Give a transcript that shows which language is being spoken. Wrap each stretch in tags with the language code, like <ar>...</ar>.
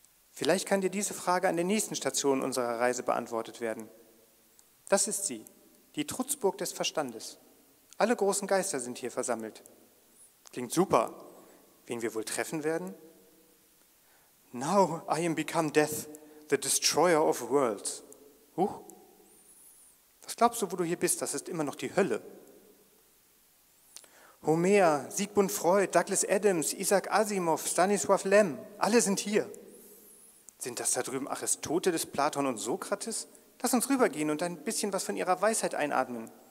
<de>Vielleicht kann dir diese Frage an der nächsten Station unserer Reise beantwortet werden. Das ist sie, die Trutzburg des Verstandes. Alle großen Geister sind hier versammelt. Klingt super. Wen wir wohl treffen werden?</de> <en>Now I am become death, the destroyer of worlds. Huch.</en> <de>Was glaubst du, wo du hier bist? Das ist immer noch die Hölle. Homer, Sigmund Freud, Douglas Adams, Isaac Asimov, Stanislaw Lem, alle sind hier. Sind das da drüben Aristoteles, Platon und Sokrates? Lass uns rübergehen und ein bisschen was von ihrer Weisheit einatmen.</de>